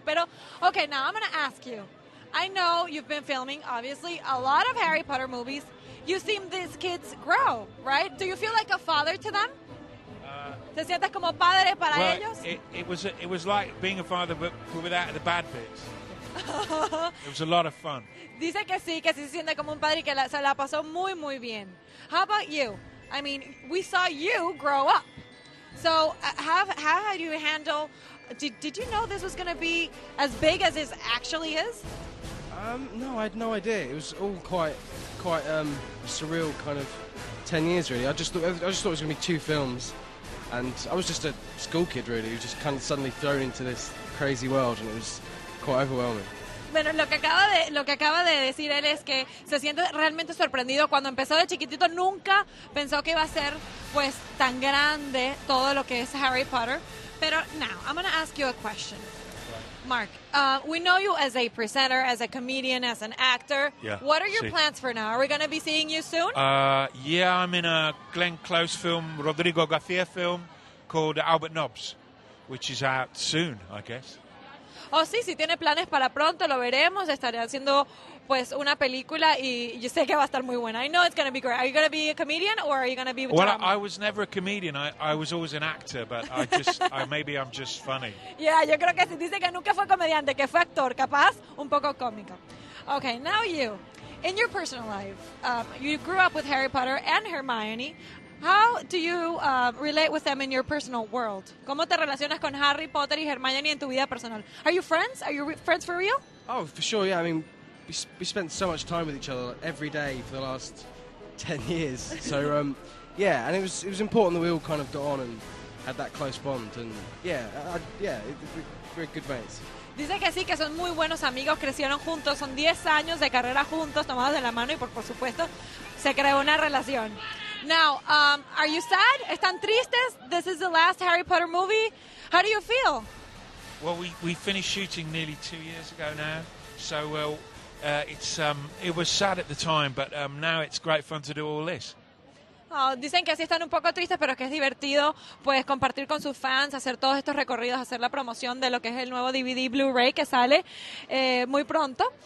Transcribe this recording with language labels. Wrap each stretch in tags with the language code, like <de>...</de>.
<en>Pero, okay, now I'm going to ask you. I know you've been filming, obviously, a lot of Harry Potter movies. You've seen these kids grow, right? Do you feel like a father to them?</en> <es>¿Te sientes como padre para</es> <en>well,</en> <es>ellos?</es> <en>It was like being a father, but without the bad bits. It was a lot of fun.</en> <es>Dice que sí se siente como un padre y que se la pasó muy, muy bien.</es> <en>How about you? I mean, we saw you grow up. So how do you handle, did you know this was going to be as big as it actually is? No, I had no idea. It was all quite surreal kind of 10 years, really. I just thought it was going to be two films. And I was just a school kid, really, who just kind of suddenly thrown into this crazy world, and it was quite overwhelming.</en> <es>Bueno, lo que acaba de decir él es que se siente realmente sorprendido. Cuando empezó de chiquitito, nunca pensó que iba a ser, pues, tan grande todo lo que es Harry Potter.</es> <en>Pero now, I'm going to ask you a question. Mark, we know you as a presenter, as a comedian, as an actor. Yeah, what are your plans for now? Are we going to be seeing you soon? Yeah, I'm in a Glenn Close film, Rodrigo García film, called Albert Nobbs, which is out soon, I guess.</en> <es>Oh, sí, si tiene planes para pronto, lo veremos.</es> <en>Estaré haciendo, pues, una película y yo sé que va a estar muy buena. I know it's going to be great. Are you going to be a comedian or are you going to be with well, drama? Well, I was never a comedian. I was always an actor, but maybe I'm just funny.</en> <es>Yeah, yo creo que sí. Dice que nunca fue comediante, que fue actor. Capaz, un poco cómico.</es> <en>Okay, now you. In your personal life, you grew up with Harry Potter and Hermione. How do you relate with them in your personal world?</en> <es>¿Cómo te relacionas con Harry Potter y Hermione en tu vida personal?</es> <en>Are you friends? Are you friends for real? Oh, for sure, yeah. I mean, we spent so much time with each other every day for the last 10 years. So, yeah, and it was important that we all kind of got on and had that close bond. And, very good mates.</en> <es>Dice que sí, que son muy buenos amigos, crecieron juntos. Son 10 años de carrera juntos, tomados de la mano y, por supuesto, se creó una relación.</es> <en>Now, are you sad?</en> <es>¿Están tristes?</es> <en>This is the last Harry Potter movie. How do you feel? Well, we finished shooting nearly 2 years ago now. So, it was sad at the time, but now it's great fun to do all this.</en> <es>Oh, dicen que sí están un poco tristes, pero que es divertido pues compartir con sus fans, hacer todos estos recorridos, hacer la promoción de lo que es el nuevo DVD Blu-ray que sale muy pronto.</es>